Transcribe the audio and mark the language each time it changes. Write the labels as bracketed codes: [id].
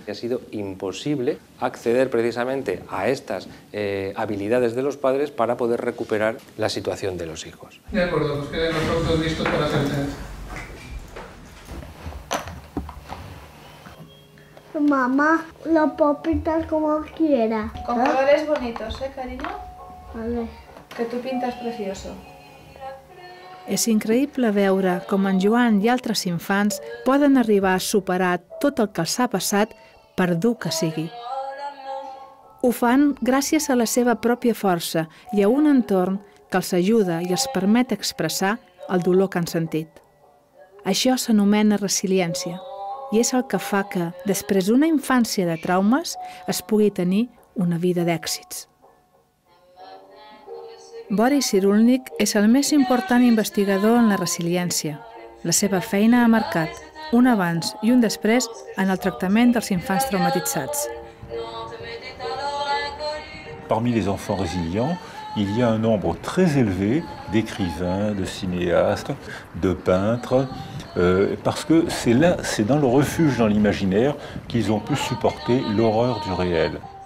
[es] Ha sido imposible acceder precisamente a estas habilidades de los padres para poder recuperar la situación de los hijos. De acuerdo, pues queden los autos listos para sentencia. Mamá, lo puedo pintar como quiera. Con colores bonitos, cariño. Vale. Que tú pintas precioso. [ca] És increïble veure com en Joan i altres infants poden arribar a superar tot el que els ha passat, per dur que sigui. Ho fan gràcies a la seva pròpia força i a un entorn que els ajuda i els permet expressar el dolor que han sentit. Això s'anomena resiliència. I és el que fa que, després d'una infància de traumes, es pugui tenir una vida d'èxits. Boris Cirulnik és el més important investigador en la resiliència. La seva feina ha marcat un abans i un després en el tractament dels infants traumatitzats. [fr] Parmi les enfants résilients, il y a un nombre très élevé d'écrivains, de cinéastes, de peintres, parce que c'est là, c'est dans le refuge, dans l'imaginaire, qu'ils ont pu supporter l'horreur du réel.